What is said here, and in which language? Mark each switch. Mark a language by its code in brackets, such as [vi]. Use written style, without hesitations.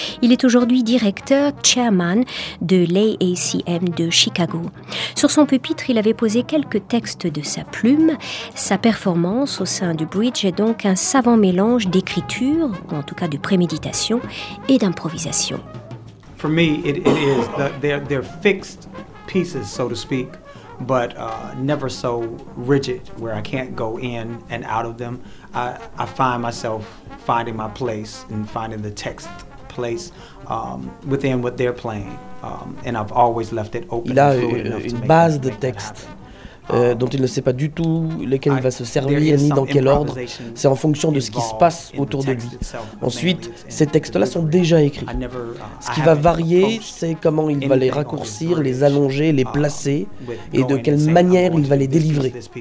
[fr] Il est aujourd'hui directeur, chairman de l'AACM de Chicago. Sur son pupitre, il avait posé quelques textes de sa plume. Sa performance au sein du Bridge est donc un savant mélange d'écriture, ou en tout cas de préméditation, et d'improvisation. [en] For me, it is they're fixed pieces, so to speak, but never so rigid where I can't go in and out of them. I find myself finding my place and finding the text place within what they're playing, and I've always left it open. [fr] Il a une base de texte. Dont il ne sait pas du tout lesquels il va se servir ni dans quel ordre. C'est en fonction de ce qui se passe autour de lui. Ensuite, ces textes-là sont déjà écrits. Ce qui va varier, c'est comment il va les raccourcir, les allonger, les placer et de quelle manière il va les délivrer.